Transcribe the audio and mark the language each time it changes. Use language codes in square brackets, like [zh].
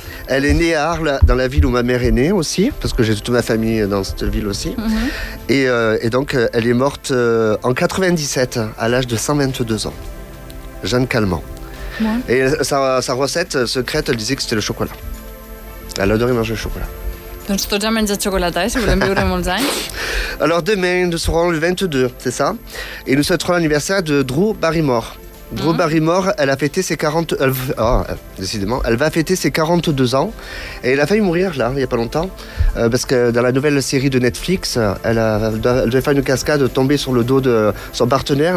[fr] Elle est née à Arles, dans la ville où ma mère est née aussi, parce que j'ai toute ma famille dans cette ville aussi. Mmh. Et donc, elle est morte en 97, à l'âge de 122 ans. Jeanne Calment. Mmh. Et sa recette secrète, elle disait que c'était le chocolat. Elle adorait manger le chocolat. [ca] Doncs tots han menjat xocolata, si volem viure molts anys. [fr] Alors demain, nous serons le 22, c'est ça? Et nous souhaiterons l'anniversaire de Drew Barrymore. Drew Barrymore, elle va fêter ses 42 ans. Et elle a failli mourir, là, il n'y a pas longtemps. Parce que dans la nouvelle série de Netflix, elle devait faire une cascade, tomber sur le dos de son partenaire.